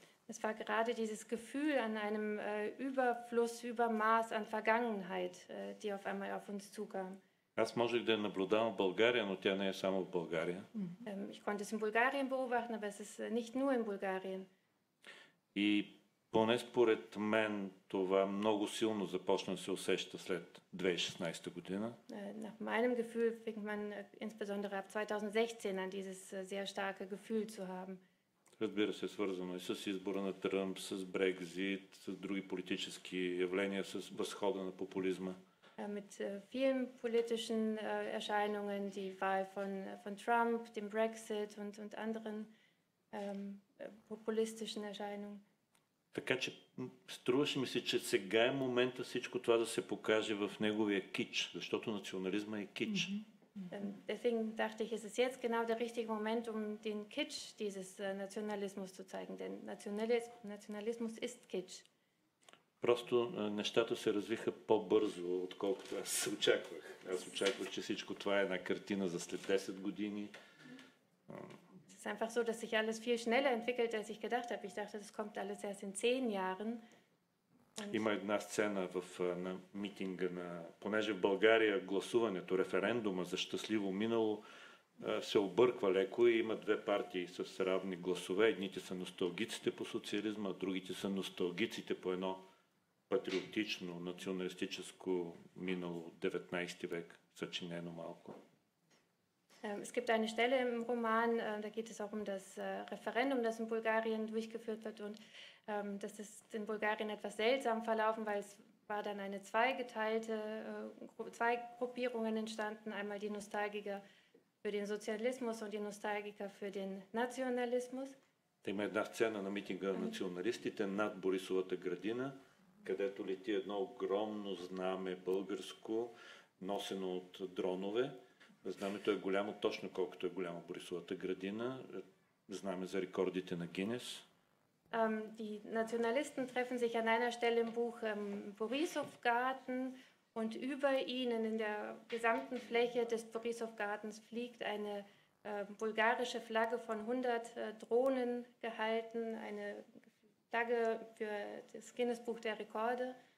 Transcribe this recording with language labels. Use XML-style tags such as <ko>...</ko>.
<de>Es war gerade dieses Gefühl an einem Überfluss, Übermaß an Vergangenheit, die auf einmal auf uns zukam.</de> <bg>Аз можех да наблюдавам България, но тя не е само в България.</bg> <de>Ich konnte es in Bulgarien beobachten, aber es ist nicht nur in Bulgarien.</de> <bg>И поне според мен това много силно започна да се усеща след 2016 година.</bg> <de>Nach meinem Gefühl fängt man insbesondere ab 2016 an dieses sehr starke Gefühl zu haben.</de> <bg>Разбира се, свързано и с избора на Тръмп, с Брекзит, с други политически явления, с възхода на популизма.</bg> <de>Mit vielen politischen Erscheinungen, die Wahl von Trump, dem Brexit und anderen populistischen Erscheinungen.</de> <bg>Така че струваше ми се, че сега е момента всичко това да се покаже в неговия кич, защото национализма е кич.</bg> <de>Deswegen dachte ich, es ist jetzt genau der richtige Moment, um den Kitsch dieses Nationalismus zu zeigen, denn Nationalismus ist Kitsch.</de> <bg>Просто нещата се развиха по-бързо, отколкото аз очаквах. Аз очаквах, че всичко това е една картина за след 10 години.</bg> <de>Es ist einfach so, dass sich alles viel schneller entwickelt, als ich gedacht habe. Ich dachte, das kommt alles erst in 10 Jahren.</de> <bg>Има една сцена на митинга, понеже в България гласуването, референдума за щастливо минало се обърква леко и има две партии с равни гласове. Едните са носталгиците по социализма, а другите са носталгиците по едно патриотично, националистическо минало 19 век, съчинено малко.</bg> <de>Es gibt eine Stelle im Roman, da geht es auch um das Referendum, das in Bulgarien durchgeführt wird. Und das ist in Bulgarien etwas seltsam verlaufen, weil es war dann eine zweigeteilte, zwei Gruppierungen entstanden. Einmal die Nostalgiker für den Sozialismus und die Nostalgiker für den Nationalismus.</de> <bg>Da има една сцена на митинга националистите над Борисовата градина. където лети едно огромно знаме българско, носено от дронове. Знамето е голямо, точно колкото е голяма Борисовата градина. Знаме за рекордите на Гинес.</bg> <de>Die Nationalisten treffen sich an einer Stelle im Buch im Borisow-Garten und über ihnen in der gesamten Fläche des Borisow-Gartens fliegt eine bulgarische Flagge von 100 Drohnen gehalten, eine Flagge für das Guinness-Buch der Rekorde.</de>